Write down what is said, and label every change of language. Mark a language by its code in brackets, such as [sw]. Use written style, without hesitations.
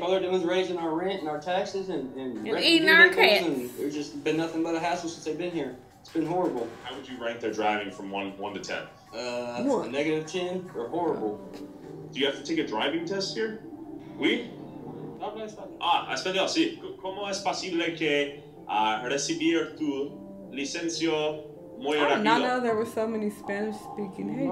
[en] All they're doing is raising our rent and our taxes and eating our cats. There's just been nothing but a hassle since they've been here. It's been horrible. How would you rank their driving from 1 to 10? A negative 10 or horrible. Do you have to take a driving test here? [es] Oui? Ah, espanol, sí. ¿Cómo es posible que recibir tu licencio muy rápido? [en] I did not know there were so many Spanish speaking Haitians.